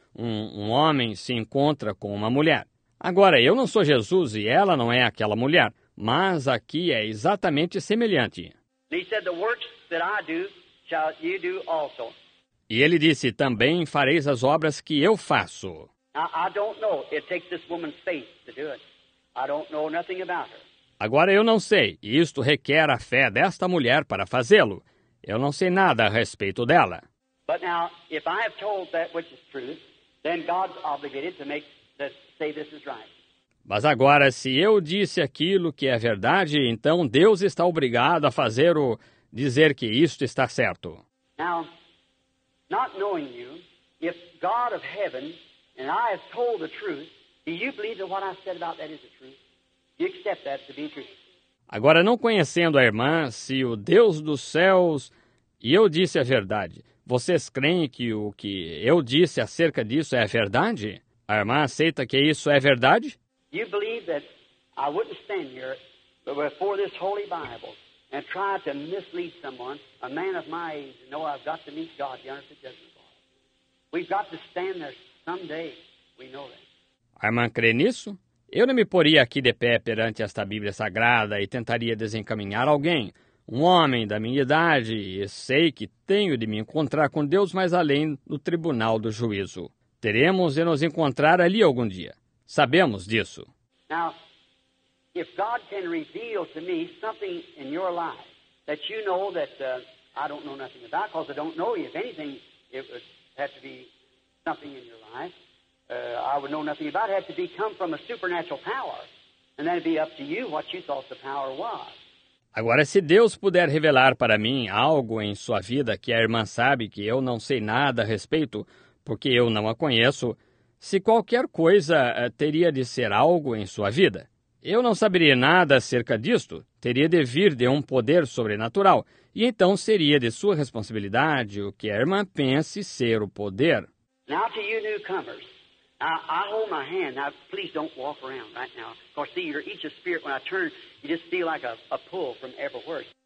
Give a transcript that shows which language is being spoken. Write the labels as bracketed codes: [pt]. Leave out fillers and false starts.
[pt] Um homem se encontra com uma mulher. Agora, eu não sou Jesus e ela não é aquela mulher. Mas aqui é exatamente semelhante. [en] He said, the works that I do, shall you do also. [pt] E ele disse, também fareis as obras que eu faço. [en] I don't know. It takes this woman's faith to do it. I don't know nothing about her. [pt] Agora eu não sei. Isto requer a fé desta mulher para fazê-lo. Eu não sei nada a respeito dela. [en] But now, if I have told that which is truth, then God's obligated to make this, say this is right. [pt] Mas agora, se eu disse aquilo que é verdade, então Deus está obrigado a fazer o dizer que isto está certo. [en] Now, not knowing you, if God of heaven and I have told the truth, do you believe that what I said about that is the truth? Do you accept that to be true? [pt] Agora, não conhecendo a irmã, se o Deus dos céus e eu disse a verdade, vocês creem que o que eu disse acerca disso é a verdade? A irmã aceita que isso é verdade? [en] You believe that I wouldn't stand here before this holy Bible and try to mislead someone, a man of my age, no, I've got to meet God, the honest judgment of all. We've got to stand there someday, we know that. [pt] A irmã crê nisso? Eu não me poria aqui de pé perante esta Bíblia Sagrada e tentaria desencaminhar alguém, um homem da minha idade, e sei que tenho de me encontrar com Deus mais além do tribunal do juízo. Teremos de nos encontrar ali algum dia. Sabemos disso. [en] Now, if God can reveal to me something in your life that you know that I don't know nothing about, because I don't know you, if anything, it would have to be something in your life I would know nothing about. It had to be come from a supernatural power. And that would be up to you what you thought the power was. [pt] Agora, se Deus puder revelar para mim algo em sua vida que a irmã sabe que eu não sei nada a respeito, porque eu não a conheço, se qualquer coisa teria de ser algo em sua vida, eu não saberia nada acerca disto, teria de vir de um poder sobrenatural, e então seria de sua responsabilidade o que a irmã pense ser o poder. [en] Now to you newcomers. I hold my hand. Now, please don't walk around right now. Because, see, you're each a spirit. When I turn, you just feel like a pull from everywhere.